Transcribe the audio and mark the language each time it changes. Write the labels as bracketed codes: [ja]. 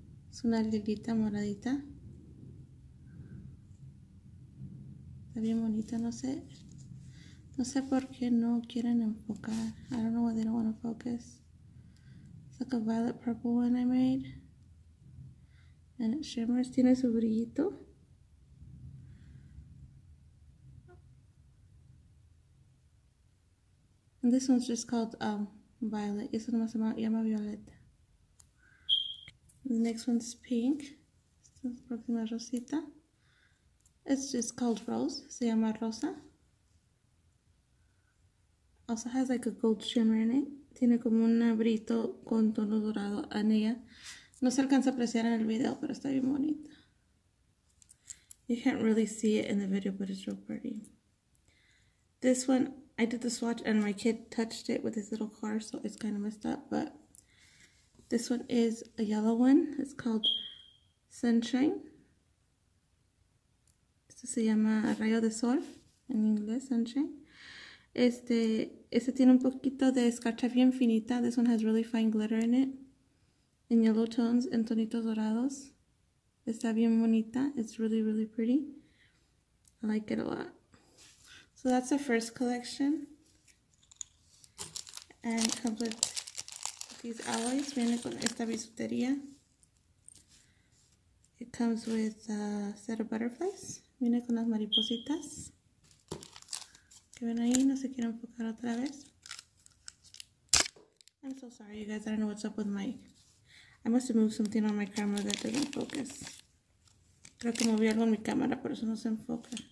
[es] Es una liguita moradita. Está bien bonita, no sé por qué no quieren enfocar. [en] I don't know why they don't want to focus. It's like a violet purple one I made. And it shimmers, [es] tiene su brillito. [en] And this one's just called violet. [es] Y eso nomás se llama violeta. [en] The next one's pink. [es] Esta es la próxima rosita. [en] It's just called Rose. [es] Se llama Rosa. [en] Also has like a gold shimmer in it. [es] Tiene como un abrito con tono dorado en ella. No se alcanza a apreciar en el video, pero está bien bonita. [en] You can't really see it in the video, but it's real pretty. This one, I did the swatch and my kid touched it with his little car, so it's kind of messed up. But this one is a yellow one. It's called Sunshine. [es] Se llama Rayo de Sol, en inglés, Sunshine. Este tiene un poquito de escarcha bien finita. [en] This one has really fine glitter in it. In yellow tones, [es] en tonitos dorados. Está bien bonita. [en] It's really, really pretty. I like it a lot. So that's the first collection. And it comes with these alloys. [es] Viene con esta bisutería. [en] It comes with a set of butterflies. [es] Viene con las maripositas que ven ahí, no se quiere enfocar otra vez. [en] I'm so sorry you guys, I don't know what's up with my... I must have moved something on my camera that didn't focus. [es] Creo que moví algo en mi cámara, por eso no se enfoca.